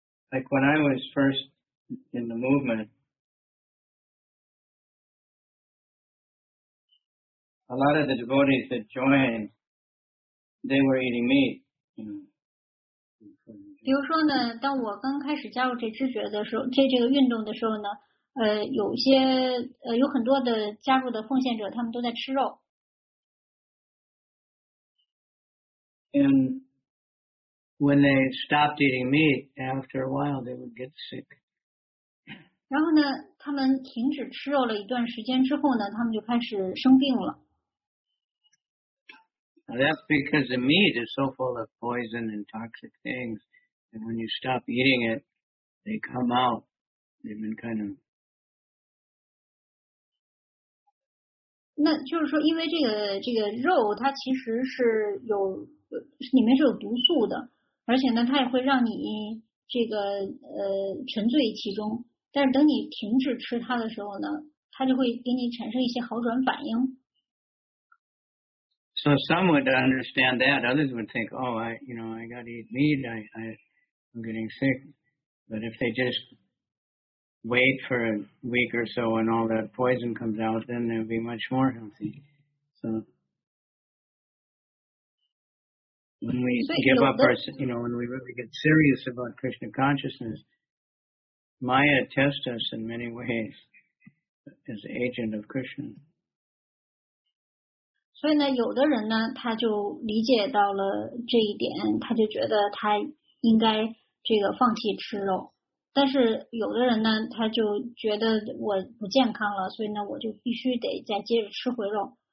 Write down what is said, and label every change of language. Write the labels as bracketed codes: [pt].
[en] Like when I was first in the movement, a lot of the devotees that joined, they were eating meat. [zh] 比如说呢，当我刚开始加入这知觉的时候，这个运动的时候呢，有很多的加入的奉献者他们都在吃肉。 [en] And when they stopped eating meat, after a while they would get sick. [zh] 然后呢他们停止吃肉了一段时间之后呢他们就开始生病了。 [en] Now that's because the meat is so full of poison and toxic things, and when you stop eating it, they come out, they've been kind of [zh] 那就是说因为这个肉它其实是有里面是有毒素的，而且呢它也会让你这个沉醉其中，但是等你停止吃它的时候呢它就会给你产生一些好转反应。 [en] So some would understand that, others would think, oh, I got to eat meat, I'm getting sick. But if they just... wait for a week or so and all that poison comes out, then they'll be much more healthy. So when we give up our, when we really get serious about Krishna consciousness, Maya tests us in many ways as agent of Krishna. [zh] 所以呢，有的人呢，他就理解到了这一点，他就觉得他应该这个放弃吃肉。但是有的人呢，他就觉得我不健康了，所以呢我就必须得再接着吃回肉。